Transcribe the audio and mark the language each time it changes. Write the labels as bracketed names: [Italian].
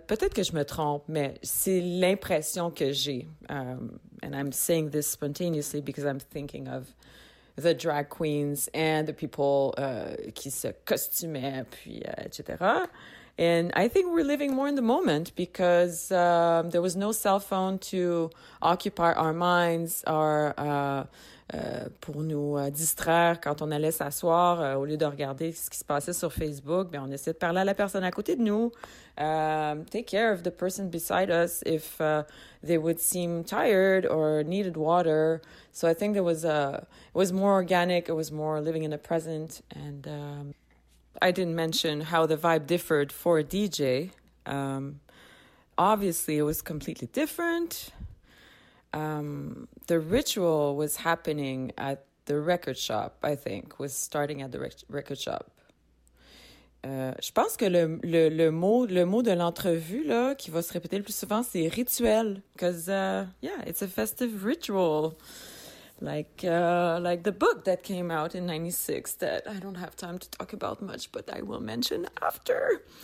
[French] Peut-être que je me trompe, mais c'est l'impression que j'ai. [English] And I'm saying this spontaneously because I'm thinking of the drag queens and the people [French] qui se costumaient, puis etc. [English] And I think we're living more in the moment because there was no cell phone to occupy our minds, our [French] pour nous distraire quand on allait s'asseoir, au lieu de regarder ce qui se passait sur Facebook, bien, on essaie de parler à la personne à côté de nous. [English] Take care of the person beside us if they would seem tired or needed water. So I think there was it was more organic, it was more living in the present. And I didn't mention how the vibe differed for a DJ. Obviously, it was completely different. The ritual was happening at the record shop, I think, was starting at the record shop. [French] Je pense que le mot de l'entrevue là, qui va se répéter le plus souvent, c'est rituel. [English] Because, yeah, it's a festive ritual. Like the book that came out in 96 that I don't have time to talk about much, but I will mention after.